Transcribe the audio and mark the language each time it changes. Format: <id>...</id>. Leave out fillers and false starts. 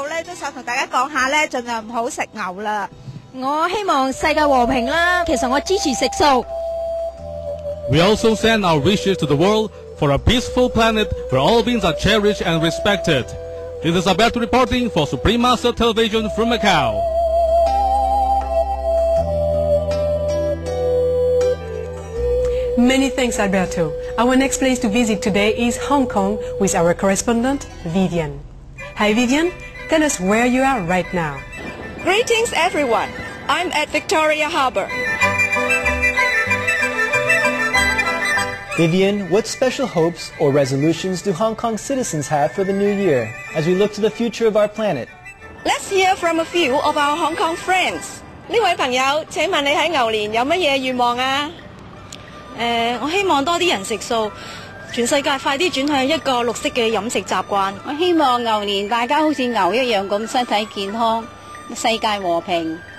<zh>另外今年是牛年,我在这里都想跟大家说一下,尽量不要吃牛啦。我希望世界和平,其实我支持食素。</zh> <en>We also send our wishes to the world for a peaceful planet where all beings are cherished and respected. This is Alberto reporting for Supreme Master Television from Macau. Many thanks, Alberto. Our next place to visit today is Hong Kong with our correspondent, Vivian. Hi, Vivian. Tell us where you are right now. Greetings, everyone. I'm at Victoria Harbour. Vivian, what special hopes or resolutions do Hong Kong citizens have for the new year as we look to the future of our planet? Let's hear from a few of our Hong Kong friends.</en> <zh>这位朋友,请问你在牛年有什么愿望啊? 我希望多些人吃素, 全世界快点转向一个绿色的饮食习惯。我希望牛年大家好像牛一样身体健康, 世界和平。</zh>